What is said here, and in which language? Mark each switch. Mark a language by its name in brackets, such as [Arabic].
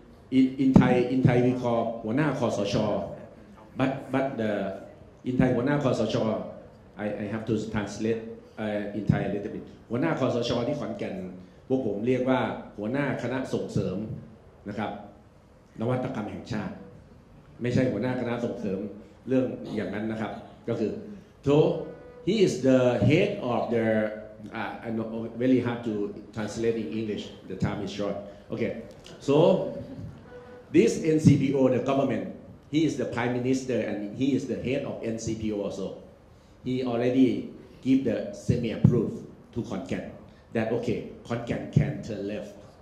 [English] In Thai we call Wana Khosocho. But the in Thai Wana Khosocho, I have to translate in Thai a little bit. Wana Khosocho di Khon Kaen. [Thai] พวกผมเรียกว่าหัวหน้าคณะส่งเสริมนะครับนวัตกรรมแห่งชาติไม่ใช่หัวหน้าคณะส่งเสริมเรื่องอย่างนั้นนะครับก็คือ [English] so he is the head of the I know very hard to translate in English, the time is short. Okay, so this NCPO, the government, he is the prime minister and he is the head of NCPO also. He already give the semi approved to Khon Kaen. That okay, Khon Kaen can turn left.